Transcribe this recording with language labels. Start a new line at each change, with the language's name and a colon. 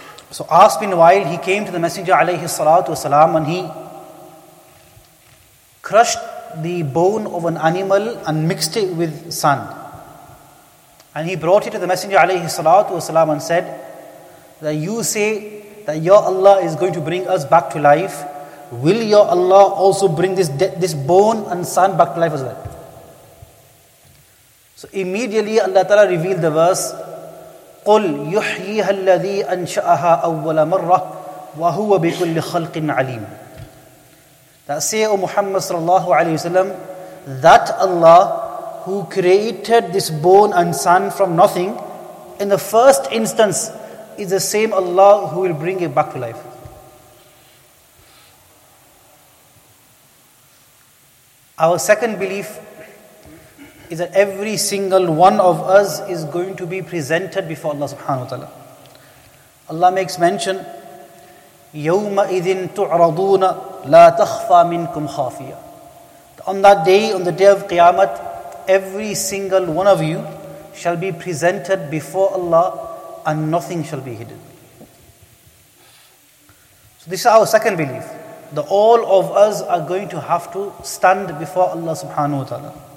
English: So As bin Wail, he came to the Messenger alayhi salatu wasalam, and he crushed the bone of an animal and mixed it with sand. And he brought it to the Messenger alayhi salatu wasalam and said, that you say that your Allah is going to bring us back to life. Will your Allah also bring this bone and sand back to life as well?
Arabic: So immediately Allah Ta'ala revealed the verse, قُلْ يُحْيِيهَا الَّذِي أَنْشَأَهَا أَوَّلَ مَرَّةٍ وَهُوَ بِكُلِّ خَلْقٍ عَلِيمٍ.
English: That say, O Muhammad sallallahu alayhi wa sallam, that Allah who created this bone and sand from nothing, in the first instance, is the same Allah who will bring it back to life. Our second belief is that every single one of us is going to be presented before Allah subhanahu wa ta'ala.
Arabic: Allah makes mention, يَوْمَ إِذٍ تُعْرَضُونَ لَا تَخْفَى مِنْكُمْ خَافِيَةً.
English: On that day, on the day of Qiyamah, every single one of you shall be presented before Allah and nothing shall be hidden. So this is our second belief, that all of us are going to have to stand before Allah subhanahu wa ta'ala.